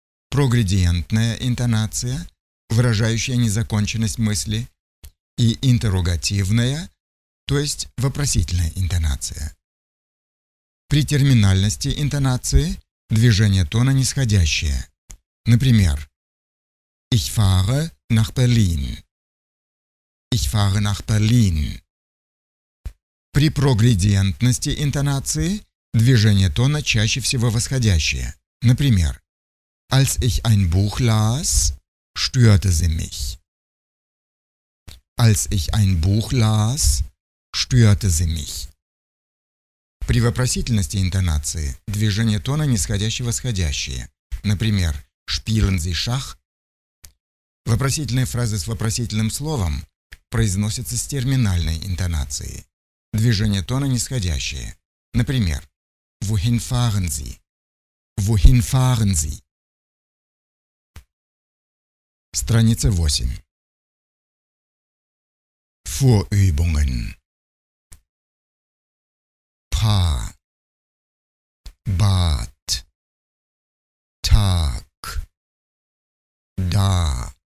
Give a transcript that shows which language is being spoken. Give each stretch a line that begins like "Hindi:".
Russian: Прогредиентная интонация, выражающая незаконченность мысли. И интерогативная, то есть вопросительная интонация. При терминальности интонации движение тона нисходящее. Например,
German: «Ich fahre nach Berlin». Ich fahre nach Berlin.
Russian: При прогредиентности интонации движение тона чаще всего восходящее. Например,
German: Als ich ein Buch las, störte sie mich. Als ich ein Buch las, störte sie mich.
Russian: При вопросительности интонации движение тона нисходящее-восходящее. Например,
German: Spielen Sie Schach?
Russian: Вопросительные фразы с вопросительным словом произносится с терминальной интонацией. Движение тона нисходящее. Например,
German: Wohin fahren Sie? Wohin fahren Sie?
Russian: Страница 8.
German: Vorübungen. Paar. Bad. Tag. Da.